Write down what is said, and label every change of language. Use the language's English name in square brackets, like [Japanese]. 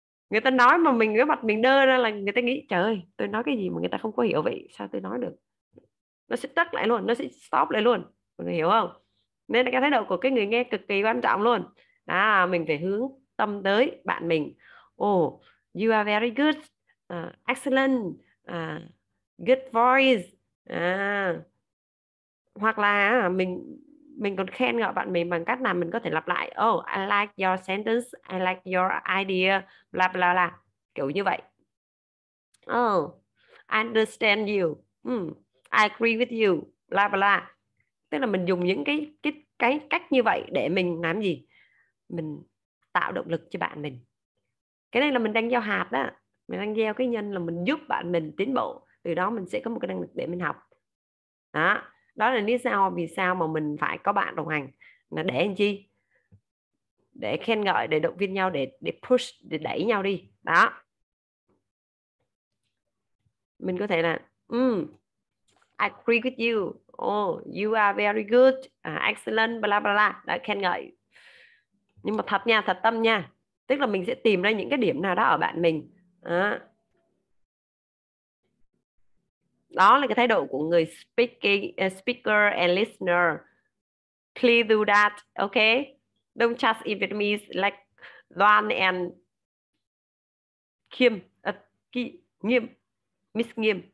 [Vietnamese] Người ta nói mà mình cái mặt mình đơ ra là người ta nghĩ trời ơi, tôi nói cái gì mà người ta không có hiểu vậy, sao tôi nói được. Nó sẽ tắt lại luôn, nó sẽ stop lại luôn, mọi người hiểu không? Nên là cái thái độ của cái người nghe cực kỳ quan trọng luôn. Đó, mình phải hướng tâm tới bạn mình. [English] Oh, you are very good, excellent, good voice. [Vietnamese] Hoặc là mình còn khen ngợi bạn mình bằng cách nào, mình có thể lặp lại. [English] Oh, I like your sentence, I like your idea, bla bla bla, [Vietnamese] kiểu như vậy. [English] Oh, I understand you, I agree with you, bla bla. [Vietnamese] Tức là mình dùng những cái cách như vậy để mình làm gì? Mình tạo động lực cho bạn mình. Cái này là mình đang gieo hạt đó. Mình đang gieo cái nhân là mình giúp bạn mình tiến bộ. Từ đó mình sẽ có một cái năng lực để mình học. Đó. Đó là lý do vì sao mà mình phải có bạn đồng hành. Là để làm chi? Để khen ngợi, để động viên nhau, để push, để đẩy nhau đi. Đó. Mình có thể là [English] I agree with you. Oh, you are very good, excellent, bla bla bla. [Vietnamese] Đã khen ngợi. Nhưng mà thật nha, thật tâm nha. Tức là mình sẽ tìm ra những cái điểm nào đó ở bạn mình. Đó là cái thái độ của người [English] speaking, speaker and listener. Please do that, okay? Don't just in Vietnamese like Loan and Kim, Nghiêm, Miss Nghiêm.